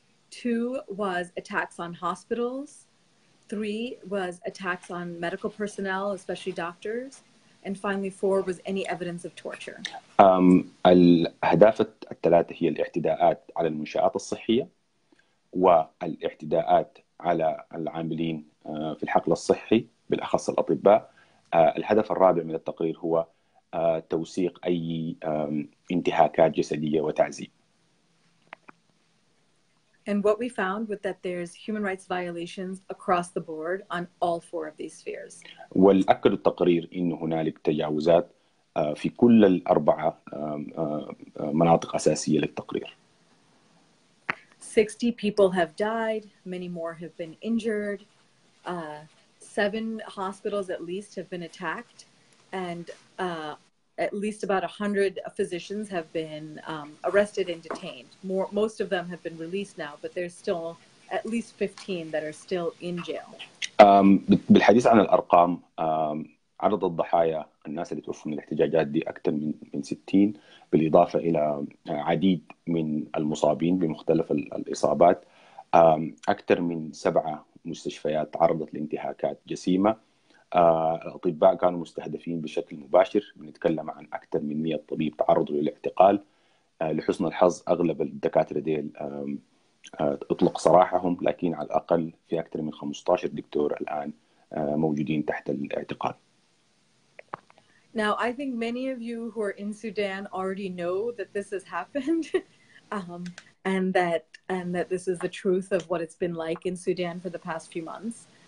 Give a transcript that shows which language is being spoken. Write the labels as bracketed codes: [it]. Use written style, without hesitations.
[en] Two was attacks on hospitals. Three was attacks on medical personnel, especially doctors. And finally, four was any evidence of torture. [ar] الأهداف الثلاثة هي الاعتداءات على المنشآت الصحية والاعتداءات على العاملين في الحقل الصحي بالأخص الأطباء. الهدف الرابع من التقرير هو توثيق أي انتهاكات جسدية وتعذيب. [en] And what we found was that there's human rights violations across the board on all four of these spheres. [ar] والأكد التقرير إن هنالك تجاوزات في كل الأربعة مناطق أساسية للتقرير. [en] 60 people have died, many more have been injured. Seven hospitals at least have been attacked, and at least about 100 physicians have been arrested and detained. Most of them have been released now, but there's still at least 15 that are still in jail. [ar] بالحديث عن الأرقام, عدد الضحايا, الناس اللي توفوا من الاحتجاجات دي أكثر من 60, بالإضافة إلى عديد من المصابين بمختلف الإصابات. أكثر من 7 مستشفيات تعرضت لانتهاكات جسيمة. الأطباء كانوا مستهدفين بشكل مباشر, بنتكلم عن أكثر من 100 طبيب تعرضوا للاعتقال. لحسن الحظ أغلب الدكاترة ديل أطلق سراحهم, لكن على الأقل في أكثر من 15 دكتور الآن موجودين تحت الاعتقال. [en] Now I think many of you who are in Sudan already know that this has happened and that this is the truth of what it's been like in Sudan for the past few months.